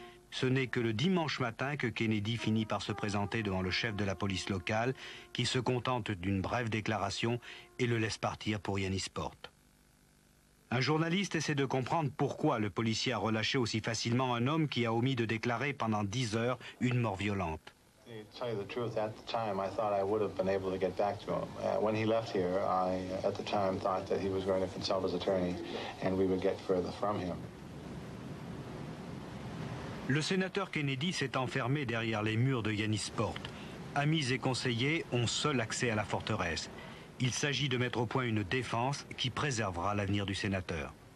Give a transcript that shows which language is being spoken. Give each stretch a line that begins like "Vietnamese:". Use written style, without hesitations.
French: Ce n'est que le dimanche matin que Kennedy finit par se présenter devant le chef de la police locale, qui se contente d'une brève déclaration et le laisse partir pour Yanisport. Un journaliste essaie de comprendre pourquoi le policier a relâché aussi facilement un homme qui a omis de déclarer pendant 10 heures une mort violente.
English: To tell you the truth, at the time, I thought I would have been able to get back to him. When he left here, I, at the time, thought that he was going to consult his attorney and we would get further from him.
French: Le sénateur Kennedy s'est enfermé derrière les murs de Yanisport. Amis et conseillers ont seul accès à la forteresse. Il s'agit de mettre au point une défense qui préservera l'avenir du sénateur.